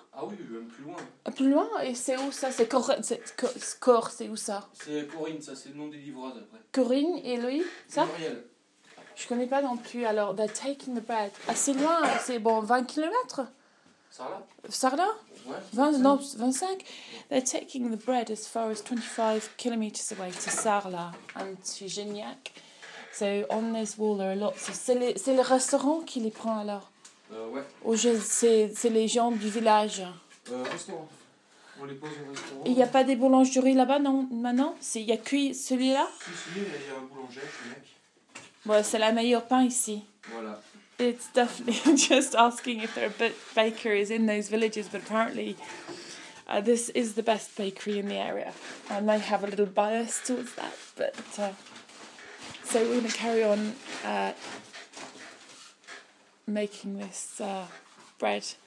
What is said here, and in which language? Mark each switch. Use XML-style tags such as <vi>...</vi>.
<fr>Ah oui, même plus loin. Plus loin? Et c'est où ça? C'est Corinne, c'est où ça? C'est Corinne, ça, c'est le nom des livreurs après. Corinne et lui, ça? Muriel. Je connais pas non plus, alors,</fr> <en>they're taking the bread.</en> <fr>Assez loin, c'est bon, 20 kilomètres? Sarla? Ouais. 20, non, 25.</fr> <en>They're taking the bread as far as 25 kilometers away to Sarla and to Gignac. So on this wall there are lots of...</en> <fr>C'est le restaurant qui les prend alors? Ouais. C'est les gens du village? Restaurant. On les pose au restaurant. Il n'y a pas des boulangeries là-bas, non, maintenant? Il y a cuit celui-là? Si, il y a un boulanger, ce mec. Ouais, c'est la meilleure pain ici. Voilà.</fr> <en>It's definitely just asking if there are bakeries in those villages, but apparently this is the best bakery in the area. I might have a little bias towards that, but... So we're going to carry on making this bread.</en>